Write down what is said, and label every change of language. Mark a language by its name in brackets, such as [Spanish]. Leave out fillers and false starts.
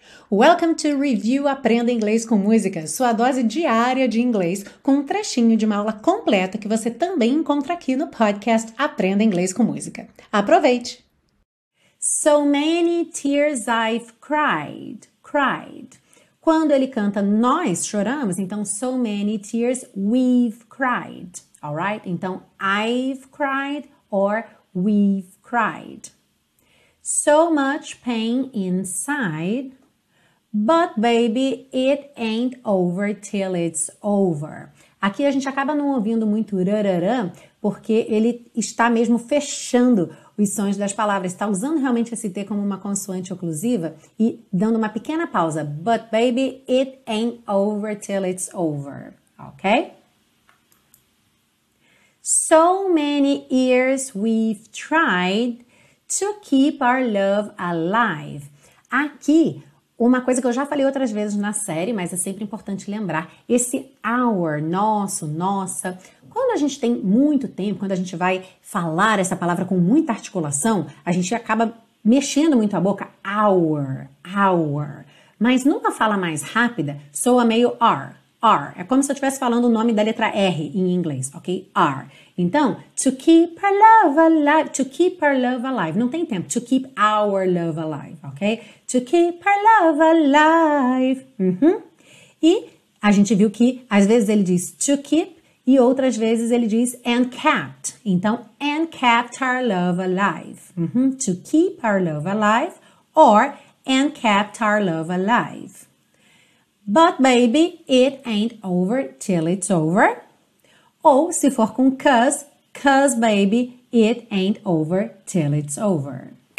[English] Welcome to [Portuguese] Review Aprenda Inglês com Música, sua dose diária de inglês, com um trechinho de uma aula completa que você também encontra aqui no podcast Aprenda Inglês com Música. Aproveite! [English] So many tears I've cried, cried. [Portuguese] Quando ele canta nós choramos, então [English] so many tears we've cried, all right? [Portuguese] Então [English] I've cried or we've cried. So much pain inside, but baby, it ain't over till it's over. [Portuguese] Aqui a gente acaba não ouvindo muito rararã, porque ele está mesmo fechando os sons das palavras, está usando realmente esse T como uma consoante oclusiva e dando uma pequena pausa. [English] But baby, it ain't over till it's over, ok? So many years we've tried to keep our love alive. [Portuguese] Aqui, uma coisa que eu já falei outras vezes na série, mas é sempre importante lembrar: esse our, nosso, nossa. Quando a gente tem muito tempo, quando a gente vai falar essa palavra com muita articulação, a gente acaba mexendo muito a boca. [English] Our, our. [Portuguese] Mas numa fala mais rápida, soa meio [English] are, are. [Portuguese] É como se eu estivesse falando o nome da letra R em inglês, ok? [English] Are. [Portuguese] Então, [English] to keep our love alive, to keep our love alive. [Portuguese] Não tem tempo. [English] To keep our love alive, ok? To keep our love alive. [Portuguese] E a gente viu que às vezes ele diz [English] to keep. [Portuguese] E outras vezes ele diz [English] and kept. Então, and kept our love alive. To keep our love alive or and kept our love alive. But baby, it ain't over till it's over. [Portuguese] Ou se for com [English] cause baby, it ain't over till it's over.